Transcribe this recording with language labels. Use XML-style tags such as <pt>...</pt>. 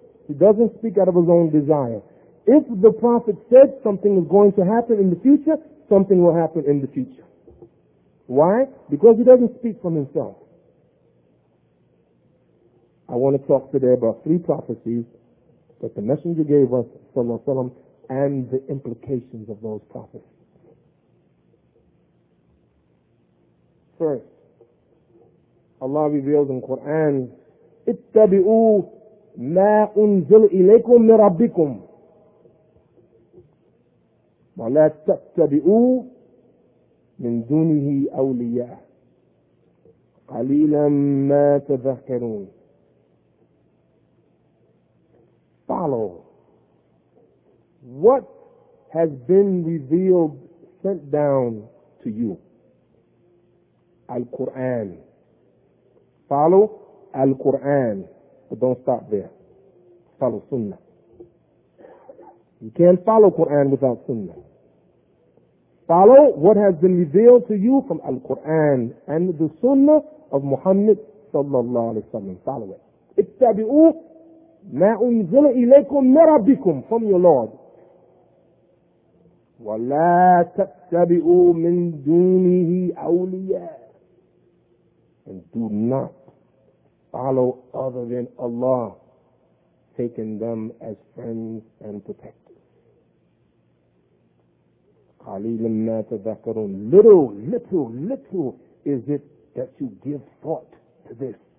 <en>He doesn't speak out of his own desire. If the Prophet said something is going to happen in the future, something will happen in the future. Why? Because he doesn't speak from himself. I want to talk today about three prophecies that the Messenger gave us sallallahu alaihi wasallam and the implications of those prophecies. First, Allah reveals in Quran,</en> <ar>اتبعوا ما انزل اليكم من ربكم ولا تتبعوا من دونه اولياء قليلا ما تذكرون.</ar> <en>Follow what has been revealed, sent down to you. Al-Quran. Follow Al-Quran, but don't stop there. Follow Sunnah. You can't follow Quran without Sunnah. Follow what has been revealed to you from Al-Quran and the Sunnah of Muhammad sallallahu alaihi wasallam. Follow it.</en> <ar>اتبعوا ما أنزل إليكم من ربكم,</ar> <en>from your Lord.</en> <ar>ولا تتبعوا من دونه أولياء.</ar> <en>And do not follow other than Allah, taking them as friends and protectors.</en> <ar>قَلِيلٌ مَا تَذَكَرُونَ.</ar> <en>Little is it that you give thought to this.</en>